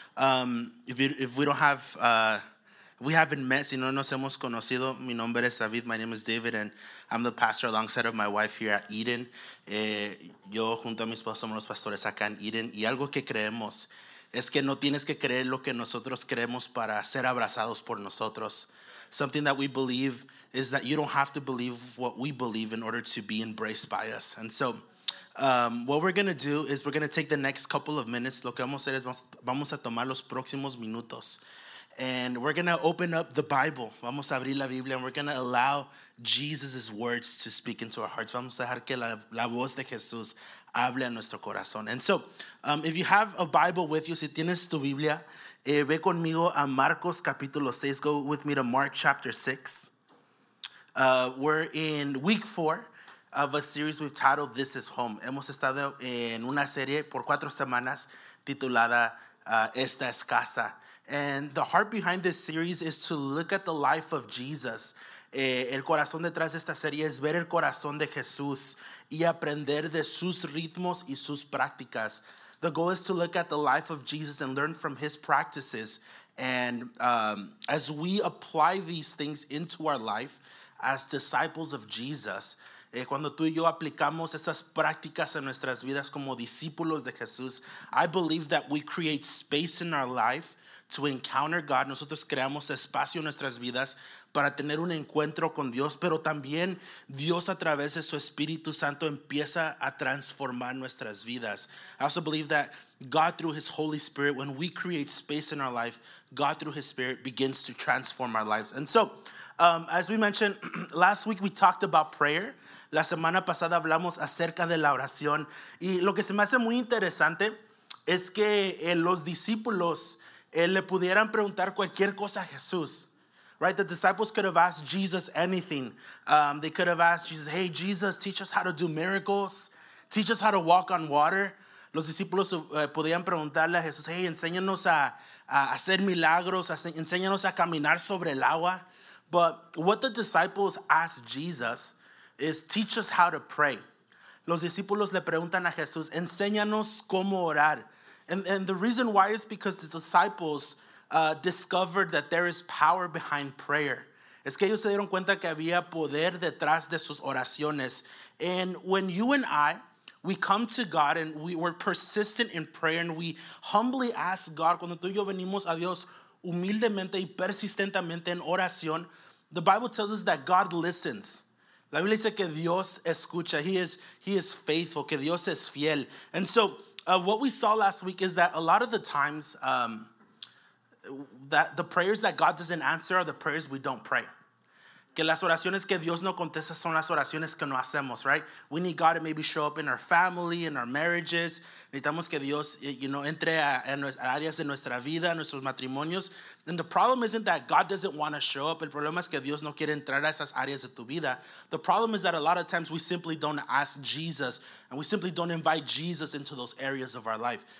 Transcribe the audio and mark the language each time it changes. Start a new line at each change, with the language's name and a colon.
English: If we haven't met,
Spanish: si no nos hemos conocido, mi nombre es David.
English: My name is David, and I'm the pastor alongside of my wife here at Eden.
Spanish: Yo junto a mi esposo somos los pastores acá en Eden. Y algo que creemos es que no tienes que creer lo que nosotros creemos para ser abrazados por nosotros.
English: Something that we believe is that you don't have to believe what we believe in order to be embraced by us. And so, what we're going to do is we're going to take the next couple of minutes.
Spanish: Lo que vamos a hacer es vamos a tomar los próximos minutos.
English: And we're going to open up the Bible.
Spanish: Vamos a abrir la Biblia,
English: and we're going to allow Jesus' words to speak into our hearts.
Spanish: Vamos a dejar que la voz de Jesús hable a nuestro corazón.
English: And so, if you have a Bible with you,
Spanish: si tienes tu Biblia, ve conmigo a Marcos capítulo 6.
English: Go with me to Mark chapter 6. We're in week 4 of a series we've titled This Is Home.
Spanish: Hemos estado en una serie por 4 semanas titulada Esta Es Casa.
English: And the heart behind this series is to look at the life of Jesus.
Spanish: El corazón detrás de esta serie es ver el corazón de Jesús y aprender de sus ritmos y sus prácticas.
English: The goal is to look at the life of Jesus and learn from his practices. And as we apply these things into our life as disciples of Jesus,
Spanish: cuando tú y yo aplicamos estas prácticas en nuestras vidas como discípulos de Jesús,
English: I believe that we create space in our life to encounter God.
Spanish: Nosotros creamos espacio en nuestras vidas para tener un encuentro con Dios, pero también Dios a través de su Espíritu Santo empieza a transformar nuestras vidas.
English: I also believe that God through his Holy Spirit, when we create space in our life, God through his Spirit begins to transform our lives. And so, as we mentioned, last week we talked about prayer.
Spanish: La semana pasada hablamos acerca de la oración. Y lo que se me hace muy interesante es que los discípulos le pudieran preguntar cualquier cosa a Jesús, right?
English: The disciples could have asked Jesus anything. They could have asked Jesus, hey, Jesus, teach us how to do miracles. Teach us how to walk on water.
Spanish: Los discípulos podían preguntarle a Jesús, hey, enséñanos a hacer milagros, enséñanos a caminar sobre el agua.
English: But what the disciples asked Jesus is teach us how to pray.
Spanish: Los discípulos le preguntan a Jesús, enséñanos cómo orar.
English: And the reason why is because the disciples discovered that there is power behind prayer.
Spanish: Es que ellos se dieron cuenta que había poder detrás de sus oraciones.
English: And when you and I, we come to God and we were persistent in prayer and we humbly ask God,
Spanish: cuando tú y yo venimos a Dios humildemente y persistentemente en oración,
English: the Bible tells us that God listens.
Spanish: La Biblia dice que Dios escucha.
English: He is faithful,
Spanish: que Dios es fiel.
English: And so, what we saw last week is that a lot of the times that the prayers that God doesn't answer are the prayers we don't pray.
Spanish: Que las oraciones que Dios no contesta son las oraciones que no hacemos, right?
English: We need God to maybe show up in our family, in our marriages.
Spanish: Necesitamos que Dios, you know, entre a áreas de nuestra vida, nuestros matrimonios.
English: And the problem isn't that God doesn't want to show up.
Spanish: El problema es que Dios no quiere entrar a esas áreas de tu vida.
English: The problem is that a lot of times we simply don't ask Jesus and we simply don't invite Jesus into those areas of our life.